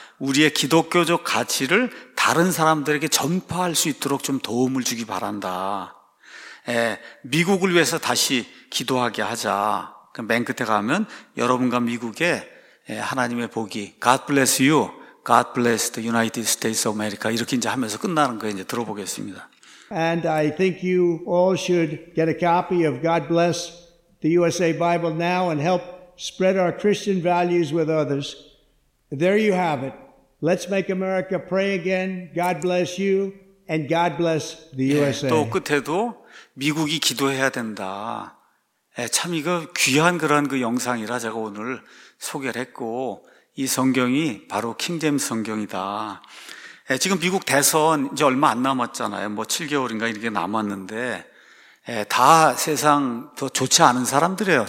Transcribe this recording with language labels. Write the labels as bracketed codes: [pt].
[ko] 우리의 기독교적 가치를 다른 사람들에게 전파할 수 있도록 좀 도움을 주기 바란다. 예, 미국을 위해서 다시 기도하게 하자. 그럼 맨 끝에 가면 여러분과 미국에 예, 하나님의 복이 [en] God bless you, God bless the United States of America [ko] 이렇게 이제 하면서 끝나는 거 이제 들어보겠습니다. [en] And I think you all should get a copy of God Bless the USA Bible now and help spread our Christian values with others. There you have it. Let's make America pray again. God bless you and God bless the USA. [ko] 예, 또 끝에도 미국이 기도해야 된다. 예, 참 이거 귀한 그런 그 영상이라 제가 오늘 소개를 했고 이 성경이 바로 킹제임스 성경이다. 예, 지금 미국 대선 이제 얼마 안 남았잖아요. 뭐 7개월인가 이렇게 남았는데 예, 다 세상 더 좋지 않은 사람들이에요.